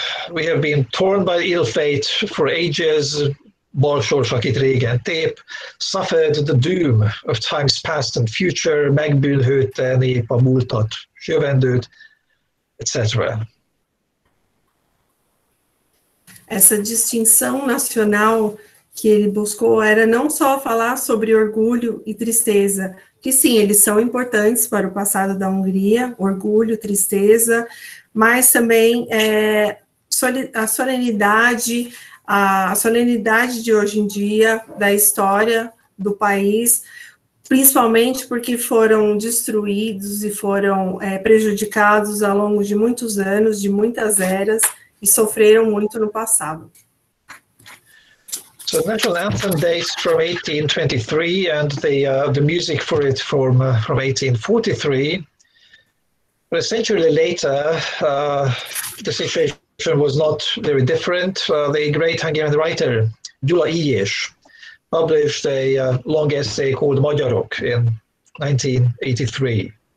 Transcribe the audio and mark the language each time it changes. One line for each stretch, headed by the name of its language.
English: We have been torn by ill fate for ages, suffered the doom of times past and future, etc.
Portuguese: Essa distinção nacional que ele buscou era não só falar sobre orgulho e tristeza, que sim, eles são importantes para o passado da Hungria, orgulho, tristeza, mas também a solenidade, a solenidade de hoje em dia, da história do país, principalmente porque foram destruídos e foram prejudicados ao longo de muitos anos, de muitas eras, e sofreram muito no passado.
English: So the national anthem dates from 1823 and the music for it from 1843. But a century later, the situation was not very different. The great Hungarian writer Gyula Illyés published a long essay called Magyarok in 1983.